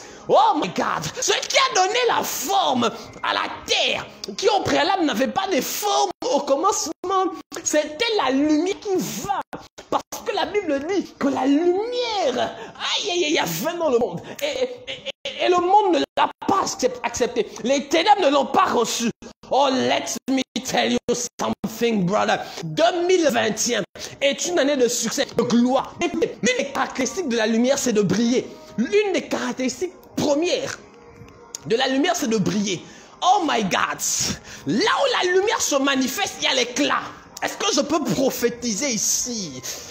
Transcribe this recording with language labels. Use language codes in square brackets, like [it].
[en] Oh my God, [fr] ce qui a donné la forme à la terre, qui au préalable n'avait pas de forme au commencement, c'était la lumière qui va. Parce que la Bible dit que la lumière, aïe, aïe, aïe, y a vint dans le monde. Et le monde ne l'a pas accepté. Les ténèbres ne l'ont pas reçu. [en] Oh, let me tell you something, brother. [fr] 2021 est une année de succès, de gloire. Une des caractéristiques de la lumière, c'est de briller. L'une des caractéristiques première de la lumière, c'est de briller. [en] Oh my God! [fr] Là où la lumière se manifeste, il y a l'éclat. Est-ce que je peux prophétiser ici?